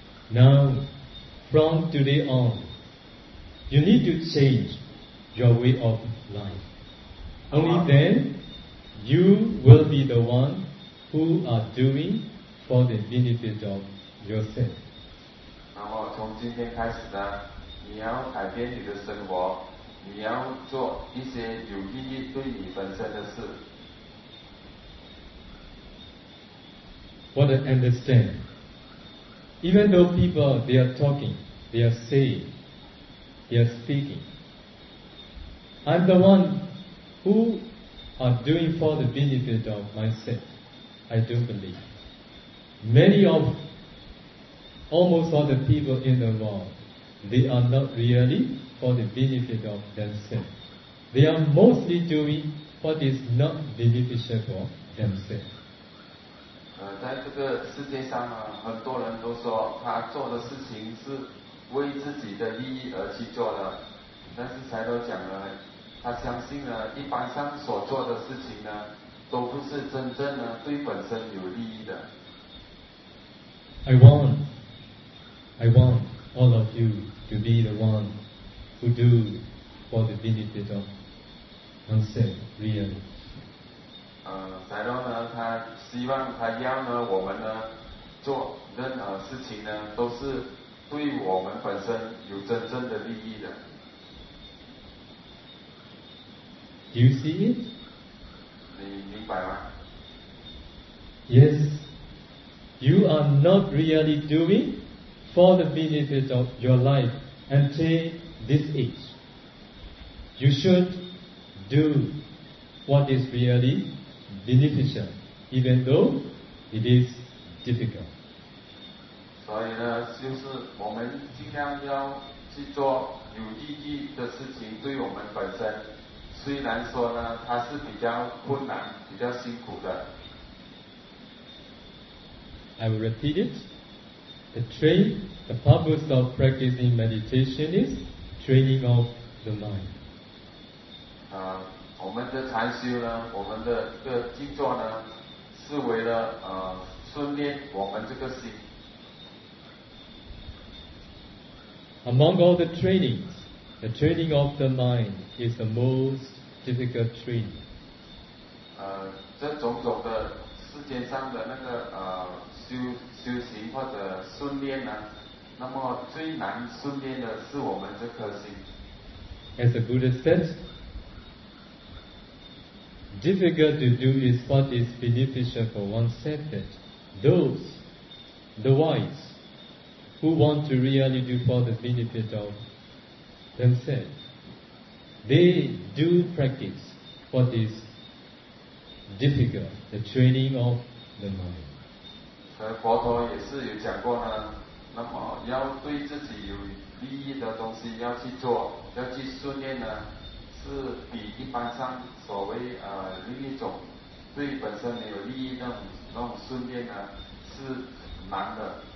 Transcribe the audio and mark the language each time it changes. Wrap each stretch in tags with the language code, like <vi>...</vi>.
<en>Now, from today on, you need to change your way of life. Only then, you will be the one who are doing for the benefit of yourself.</en> <zh>然后从今天开始呢，你要改变你的生活，你要做一些有意义对你本身的事。</zh> <en>What I understand, even though people, they are talking, they are saying, they are speaking, I'm the one who are doing for the benefit of myself, I do believe. Many of, almost all the people in the world, they are not really for the benefit of themselves. They are mostly doing what is not beneficial for themselves.</en> <zh>在这个世界上呢，很多人都说他做的事情是为自己的利益而去做的，但是才都讲了，他相信呢，一般上所做的事情呢，都不是真正呢对本身有利益的。</zh> <en>I want all of you to be the one who do for the benefit of oneself, really.</en> <zh>在这呢，他希望他要呢，我们呢做任何事情呢，都是对我们本身有真正的利益的。</zh> <en>Do you see it?</en> <zh>你明白吗？</zh> <en>Yes. You are not really doing for the benefit of your life until this age. You should do what is really beneficial, even though it is difficult.</en> <zh>所以呢，就是我们尽量要去做有意义的事情，对我们本身。虽然说呢，它是比较困难、比较辛苦的。</zh> <en>I will repeat it. The train, the purpose of practicing meditation is training of the mind.</en> <zh>我们的禅修呢，我们的这个静坐呢，是为了训练我们这个心。</zh> <en>Among all the trainings, the training of the mind is the most difficult training.</en> <zh>这种种的世间上的那个修行或者训练呢，那么最难训练的是我们这颗心。</zh> <en>As the Buddha said, difficult to do is what is beneficial for oneself. That those, the wise. Who want to really do for the benefit of themselves, they do practice what is difficult, the training of the mind.</en> <zh>佛陀也是有讲过呢，那么要对自己有利益的东西要去做，要去训练呢，是比一般上所谓另一种对本身没有利益那种训练呢是难的。</zh>